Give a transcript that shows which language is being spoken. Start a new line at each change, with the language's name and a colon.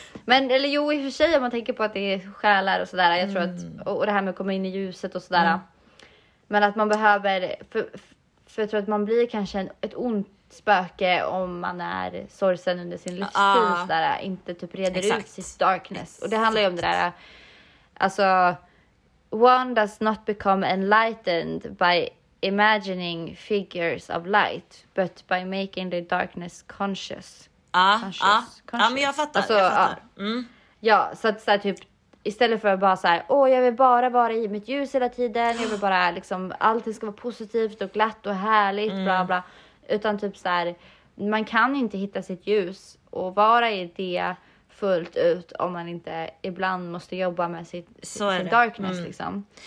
Swedish: Men, eller jo, i och för sig, om man tänker på att det är själar och sådär. Jag tror att, och det här med att komma in i ljuset och sådär. Men att man behöver, för jag tror att man blir kanske ett ont spöke om man är sorgsen under sin livsstil. Sådär, inte typ reder ut sitt darkness. Och det handlar ju om det där, alltså,
English: one does not become enlightened by imagining figures of light, but by making the darkness conscious.
Swedish: Ja, men jag fattar. Alltså, jag fattar. Ja, så att så här, typ, istället för att bara såhär, jag vill bara vara i mitt ljus hela tiden, jag vill bara liksom, allting ska vara positivt och glatt och härligt, bla bla. Utan typ så här, man kan inte hitta sitt ljus och vara i det fullt ut om man inte ibland måste jobba med sin darkness, liksom.